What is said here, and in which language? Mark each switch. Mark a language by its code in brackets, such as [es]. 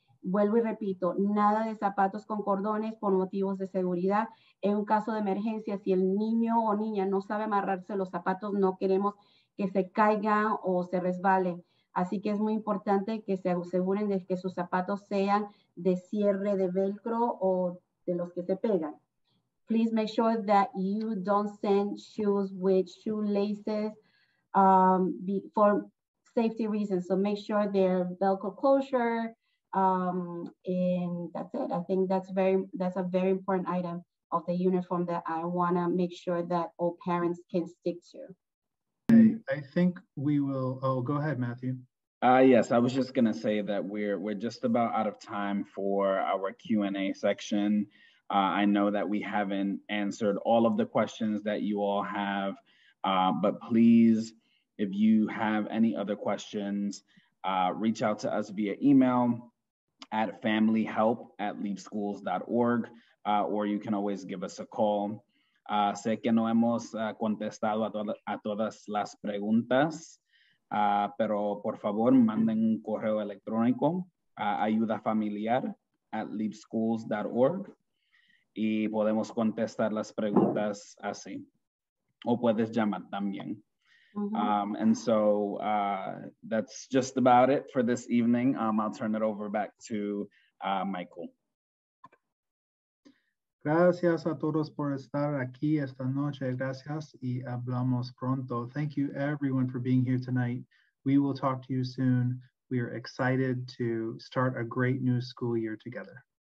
[es] Vuelvo y repito, nada de zapatos con cordones por motivos de seguridad. En un caso de emergencia, si el niño o niña no sabe amarrarse los zapatos, no queremos que se caigan o se resbalen. Así que es muy importante que se aseguren de que sus zapatos sean de cierre de velcro o de los que se pegan. [en] Please make sure that you don't send shoes with shoelaces for safety reasons. So make sure they're velcro closure. And that's it. I think that's a very important item of the uniform that I want to make sure that all parents can stick to. I think we will. Oh, go ahead, Matthew. Yes, I was just going to say that we're just about out of time for our Q&A section. I know that we haven't answered all of the questions that you all have, but please, if you have any other questions, reach out to us via email at familyhelp@leapschools.org, or you can always give us a call. [es] Sé que no hemos contestado a todas las preguntas, pero por favor manden un correo electrónico a ayudafamiliar@leapschools.org y podemos contestar las preguntas así. O puedes llamar también. [en] And so that's just about it for this evening. I'll turn it over back to Michael. [es] Gracias a todos por estar aquí esta noche. Gracias y hablamos pronto. [en] Thank you everyone for being here tonight. We will talk to you soon. We are excited to start a great new school year together.